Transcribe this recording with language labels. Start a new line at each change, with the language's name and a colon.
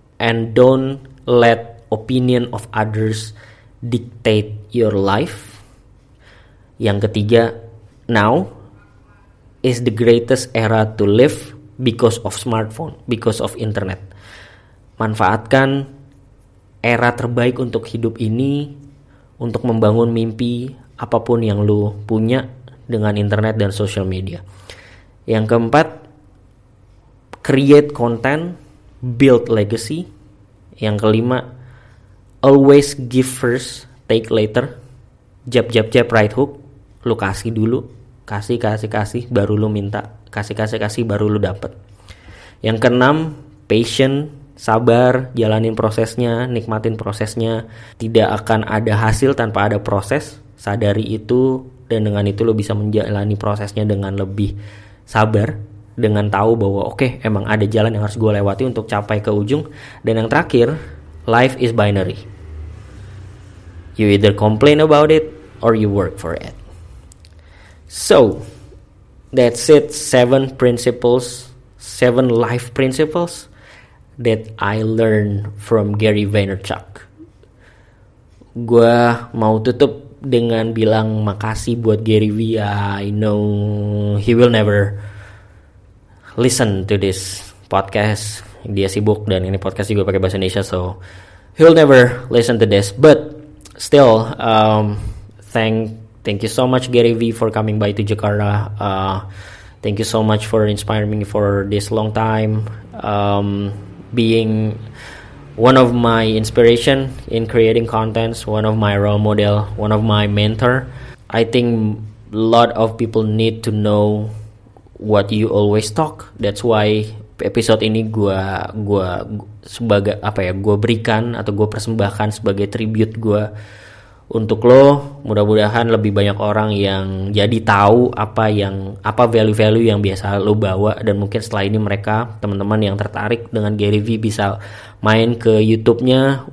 English: And don't let opinion of others dictate your life.
Indonesian: Yang ketiga,
English: now is the greatest era to live because of smartphone, because of internet.
Indonesian: Manfaatkan era terbaik untuk hidup ini, untuk membangun mimpi apapun yang lu punya dengan internet dan social media. Yang keempat,
English: create content, build legacy.
Indonesian: Yang kelima,
English: always give first, take later. Jab, right hook.
Indonesian: Lu kasih dulu. Kasih, baru lu minta. Kasih, baru lu dapet. Yang keenam,
English: patient,
Indonesian: sabar, jalanin prosesnya, nikmatin prosesnya. Tidak akan ada hasil tanpa ada proses. Sadari itu, dan dengan itu lu bisa menjalani prosesnya dengan lebih sabar. Dengan tahu bahwa okay, emang ada jalan yang harus gue lewati untuk capai ke ujung. Dan yang terakhir,
English: life is binary. You either complain about it or you work for it. So, that's it. 7 principles, 7 life principles that I learned from Gary Vaynerchuk.
Indonesian: Gue mau tutup dengan bilang makasih buat Gary V.
English: I know he will never listen to this podcast.
Indonesian: Dia sibuk dan ini podcast juga pakai bahasa Indonesia,
English: so he'll never listen to this. But still, thank you so much Gary V for coming by to Jakarta. Thank you so much for inspiring me for this long time, being one of my inspiration in creating contents, one of my role model, one of my mentor. I think a lot of people need to know what you always talk. That's why
Indonesian: episode ini gue sebagai apa ya, gue berikan atau gue persembahkan sebagai tribute gue untuk lo. Mudah-mudahan lebih banyak orang yang jadi tahu apa value-value yang biasa lo bawa, dan mungkin setelah ini mereka, teman-teman yang tertarik dengan Gary V, bisa main ke YouTube-nya.